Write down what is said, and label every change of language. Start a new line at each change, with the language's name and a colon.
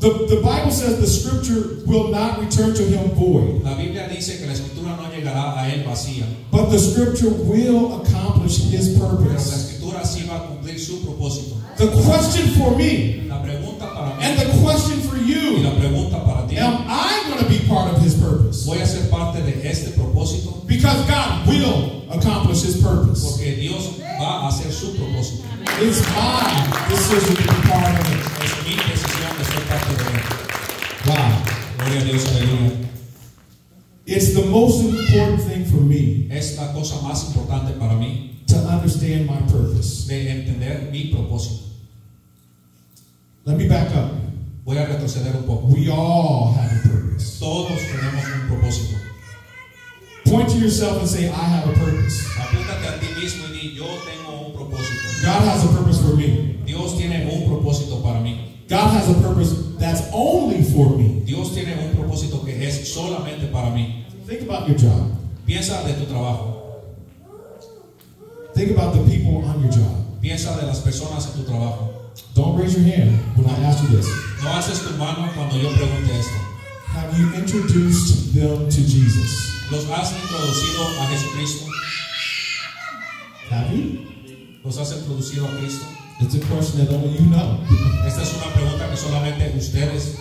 English: The Bible says the scripture will not return to him void.
Spanish: La Biblia dice que la escritura no llegará a él vacía.
English: But the scripture will accomplish his purpose.
Spanish: Pero la escritura sí va a cumplir su propósito.
English: The question for me,
Spanish: la pregunta para mí,
English: and the question for you,
Spanish: y la pregunta para ti,
English: am I going to be part of his purpose?
Spanish: Voy a ser parte de este propósito.
English: Because God will accomplish his purpose.
Spanish: Porque Dios va a hacer su propósito.
English: It's my decision to be part of it.
Spanish: Es mi decisión de ser parte de él.
English: Wow.
Spanish: Gloria a Dios, aleluya.
English: It's the most important thing for me.
Spanish: Es la cosa más importante para mí.
English: To understand my purpose.
Spanish: De entender mi propósito.
English: Let me back up.
Spanish: Voy a retroceder un poco.
English: We all have a purpose.
Spanish: Todos tenemos un propósito.
English: Point to yourself and say, I have a purpose.
Spanish: Apúntate a ti mismo y di, yo tengo un propósito.
English: God has a purpose for me.
Spanish: Dios tiene un propósito para mí.
English: God has a purpose that's only for me.
Spanish: Dios tiene un propósito que es solamente para mí.
English: Think about your job.
Spanish: Piensa de tu trabajo.
English: Think about the people on your job.
Spanish: Piensa de las personas en tu trabajo.
English: Don't raise your hand when I ask you this.
Spanish: No alces tu mano cuando yo pregunte esto.
English: Have you introduced them to Jesus?
Spanish: ¿Los has introducido a Jesucristo?
English: Have you?
Spanish: ¿Los has introducido a Cristo?
English: It's a question that only you know.
Spanish: Esta es una pregunta que solamente ustedes.